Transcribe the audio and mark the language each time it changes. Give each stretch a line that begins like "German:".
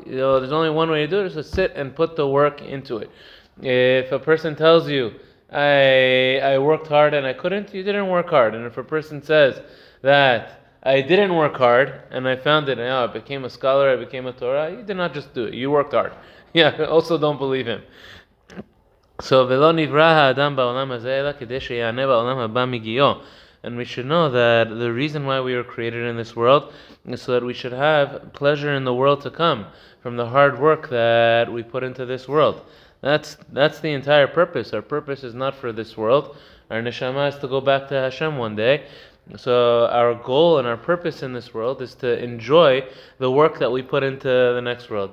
English: You know, there's only one way to do it, is to sit and put the work into it. If a person tells you, I worked hard and I couldn't, you didn't work hard. And if a person says that, I didn't work hard, and I found it, I became a scholar, I became a Torah, you did not just do it, you worked hard. Yeah, also don't believe him. So,
Hebrew: ולא נברא האדם בעולם הזה, אלא כדי שיענה בעולם הבא מגיעו.
English: And we should know that the reason why we were created in this world is so that we should have pleasure in the world to come from the hard work that we put into this world. That's the entire purpose. Our purpose is not for this world. Our neshama is to go back to Hashem one day. So our goal and our purpose in this world is to enjoy the work that we put into the next world.